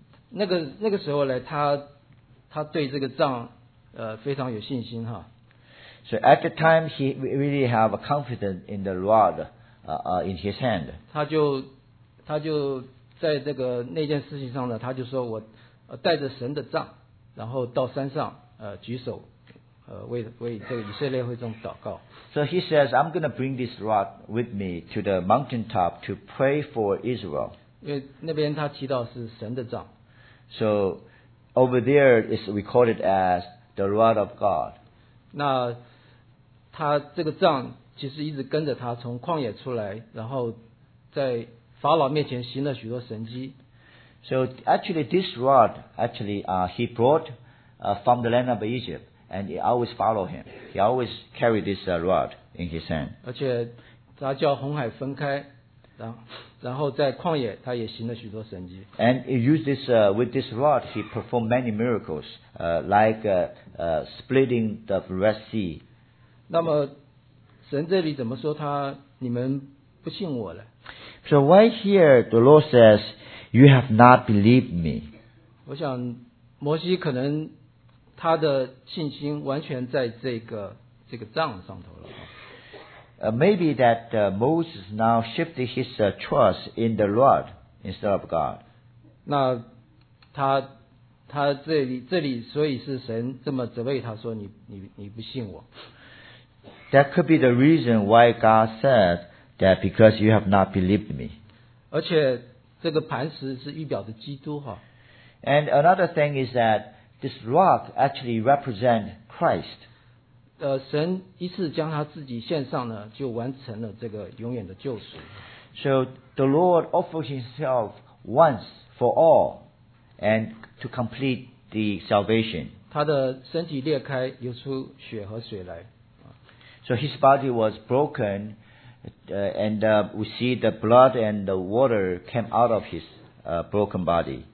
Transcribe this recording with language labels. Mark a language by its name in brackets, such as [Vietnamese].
[Chinese] 那个时候呢，他对这个仗非常有信心哈。 [English] So at the time he really have a confidence in the rod in his hand. [Chinese] 他就在这个那件事情上呢，他就说我带着神的杖，然后到山上举手为这个以色列会众祷告。 [English] So he says, I'm going to bring this rod with me to the mountaintop to pray for Israel. [Chinese] 因为那边他提到是神的杖。 [English] So over there is recorded as the rod of God. [Chinese] 那他这个杖其实一直跟着他从旷野出来，然后在法老面前行了许多神迹。 [English] So actually this rod actually he brought from the land of Egypt and he always followed him. He always carried this rod in his hand. [Chinese] 而且他叫红海分开，然后在旷野他也行了许多神迹。 [English] And he used this with this rod he performed many miracles splitting the Red Sea. [Chinese] 那么神这里怎么说他你们不信我了？ [English] So why here the Lord says, you have not believed me? [Chinese] 我想摩西可能他的信心完全在这个杖上头了。 [English] Maybe that Moses now shifted his trust in the Lord instead of God. [Chinese] 那他这里所以是神这么责备他说你不信我。 [English] That could be the reason why God said,That because you have not believed me. [Chinese] 而且这个磐石是预表的基督哈。 [English] And another thing is that this rock actually represents Christ. [Chinese] 神一次将他自己献上呢，就完成了这个永远的救赎。 [English] So the Lord offered himself once for all and to complete the salvation. [Chinese] 他的身体裂开，流出血和水来。 [English] So his body was broken. We see the blood and the water came out of his broken body.